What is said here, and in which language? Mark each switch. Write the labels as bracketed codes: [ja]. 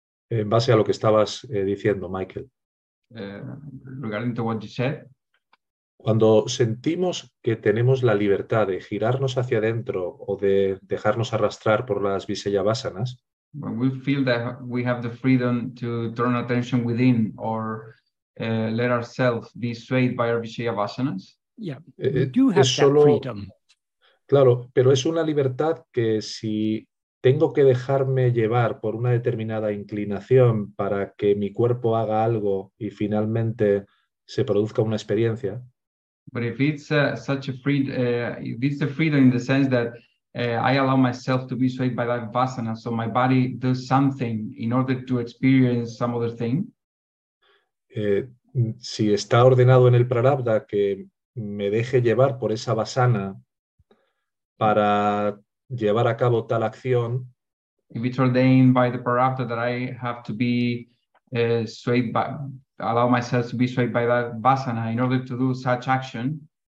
[es] En base a lo que estabas diciendo, Michael. [en] Regarding to what you said. [es] Cuando sentimos que tenemos la libertad de girarnos hacia adentro o de dejarnos arrastrar por las Vishaya Vasanas. [en] When we feel that we have the freedom to turn attention within or let ourselves be swayed by our Vishaya Vasanas. Yeah, we do have that freedom. [es] Claro, pero es una libertad que si tengo que dejarme llevar por una determinada inclinación para que mi cuerpo haga algo y finalmente se produzca una experiencia. [en] But if it's such a freedom, it's the freedom in the sense that I allow myself to be swayed by that vipassana, so my body does something in order to experience some other thing. [es] Si está ordenado en el prarabdha que me deje llevar por esa vasana para llevar a cabo tal acción. [en] If it's ordained by the prarabdha that I have to be swayed by, allow myself to be swayed by that vasana in order to do such action.